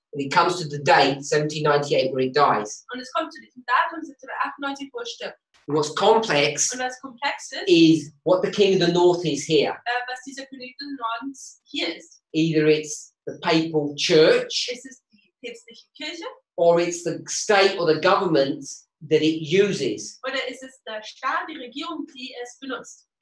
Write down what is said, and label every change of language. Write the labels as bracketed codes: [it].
[en] And it comes to the date, 1798, where it dies. [de] Und es kommt zu diesem Datum, 1798, wo es stirbt. [en] What's complex, [de] und was komplex [en] is what the King of the North is here. [de] Was dieser König des Nordens hier ist. [en] Either it's the Papal Church. [de] Es ist die päpstliche Kirche. [en] Or it's the state or the government that it uses. [de] Oder ist es der Staat, die Regierung, die es benutzt?